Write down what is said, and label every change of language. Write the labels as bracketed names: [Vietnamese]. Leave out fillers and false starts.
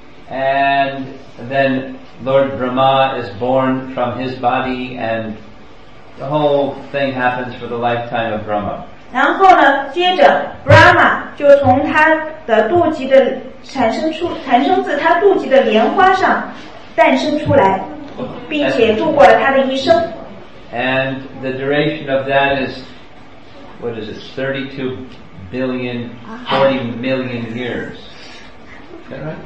[English] And then Lord Brahma is born from his body, and the whole thing happens for the lifetime of Brahma. [Chinese] 然后呢接着 Brahma 就从他的肚脐的产生自他肚脐的莲花上诞生出来，并且度过了他的一生。 [English] And the duration of that is what is it 32 billion 40 million years、right?